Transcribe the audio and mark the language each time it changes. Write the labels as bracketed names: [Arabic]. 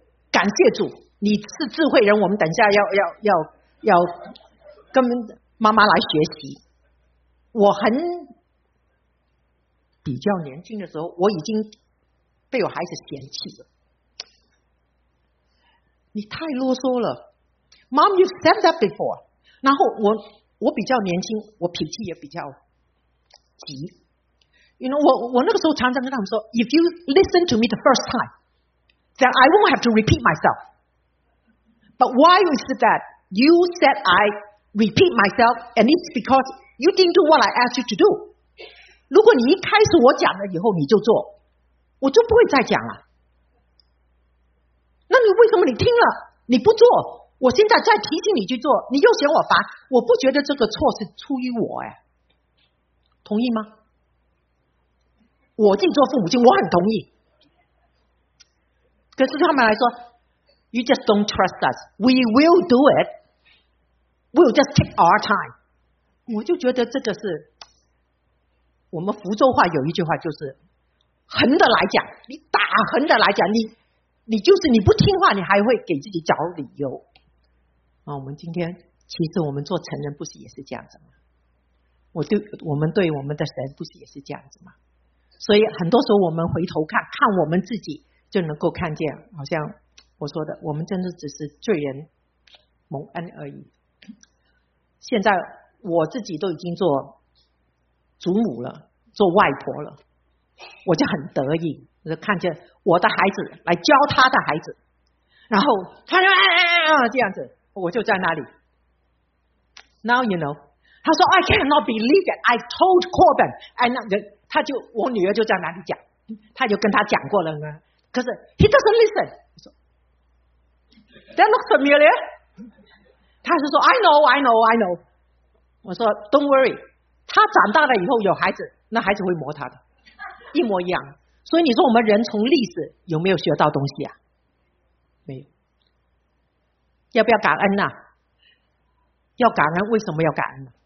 [Chinese] 感谢主，你是智慧人，我们等一下要跟妈妈来学习。我很比较年轻的时候，我已经被我孩子嫌弃了。你太啰嗦了 [English] ，Mom, you've said that before。 [Chinese] 然后我比较年轻，我脾气也比较急。 [English] You know, [Chinese] 我那个时候常常跟他们说 [English] ，If you listen to me the first time, then I won't have to repeat myself. But why is it that you said I repeat myself, and it's because you didn't do what I asked you to do? [Chinese] 如果你一开始我讲了以后你就做，我就不会再讲了。那你为什么你听了你不做，我现在再提醒你去做，你又嫌我烦，我不觉得这个错是出于我哎，同意吗？我自己做父母亲我很同意，可是他们来说 [English] You just don't trust us, we will do it, we'll just take our time。 [Chinese] 我就觉得这个是我们福州话有一句话，就是横的来讲，你打横的来讲，你就是你不听话，你还会给自己找理由。啊，我们今天其实我们做成人不是也是这样子吗？我们对我们的神不是也是这样子吗？所以很多时候我们回头看看我们自己，就能够看见，好像我说的，我们真的只是罪人蒙恩而已。现在我自己都已经做祖母了，做外婆了，我就很得意。我就看见我的孩子来教他的孩子，然后他就这样子，我就在那里。 [English] Now you know， [Chinese] 他说 [English] I cannot believe it. I told Corbin， [Chinese] 哎，那他就我女儿就在那里讲，他就跟他讲过了呢。可是 [English] he doesn't listen。 [Chinese] 我说 [English] That looks familiar。 [Chinese] 他是说 [English] I know。 [Chinese] 我说 [English] Don't worry， [Chinese] 他长大了以后有孩子，那孩子会磨他的，一模一样。所以你说我们人从历史有没有学到东西啊？没有。要不要感恩啊？要感恩。为什么要感恩？